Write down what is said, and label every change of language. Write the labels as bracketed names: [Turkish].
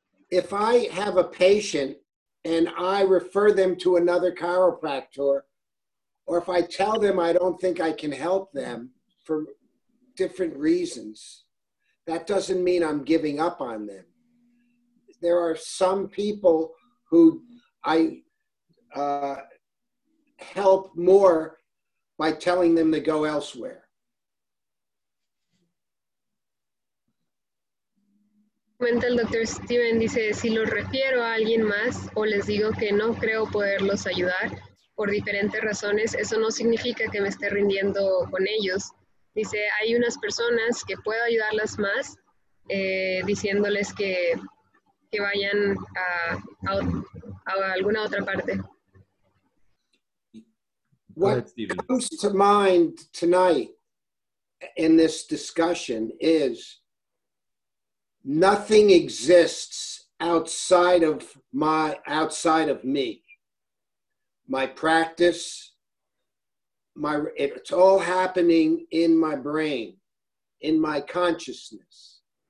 [English] If I have a patient and I refer them to another chiropractor, or if I tell them I don't think I can help them for different reasons, that doesn't mean I'm giving up on them. There are some people who I help more by telling them to go elsewhere. [Spanish] Comenta el doctor Steven, dice, si lo refiero a alguien más o les digo que no creo poderlos ayudar por diferentes razones, eso no significa que me esté rindiendo con ellos. Dice, hay unas personas que puedo ayudarlas más diciéndoles que vayan a alguna otra parte. [English] What comes to mind tonight in this discussion is nothing exists outside of me. My practice, it's all happening in my brain, in my consciousness.